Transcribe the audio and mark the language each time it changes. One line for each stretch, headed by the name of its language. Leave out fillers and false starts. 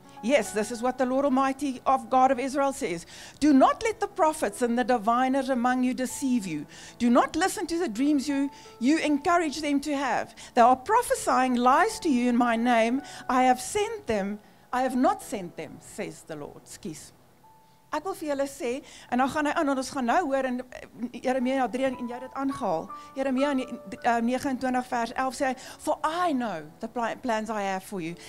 English: Yes, this is what the Lord Almighty of God of Israel says. Do not let the prophets and the diviners among you deceive you. Do not listen to the dreams you encourage them to have. They are prophesying lies to you in my name. I have sent them. I have not sent them, says the Lord. Skies.
Afrikaans: Ek wil vir julle sê, en nou gaan hy aan, ons gaan nou hoor in Jeremia 3 en jy dit aangehaal. Jeremia 29 vers 11 sê hy,
English: for I know the plans I have for you.